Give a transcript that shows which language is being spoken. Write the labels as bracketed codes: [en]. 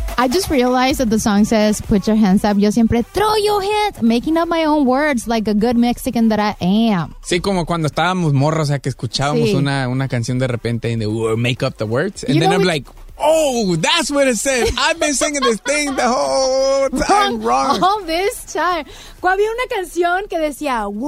[en] I just realized that the song says, put your hands up, [es] yo siempre [en] throw your hands, making up my own words like a good Mexican that I am. [es] Sí, como cuando estábamos morros, o sea, que escuchábamos sí. una canción de repente [en] and they would make up the words. And you then I'm like, oh, that's what it says. I've been singing this thing the whole time wrong. All this time. [es] Había una canción que decía,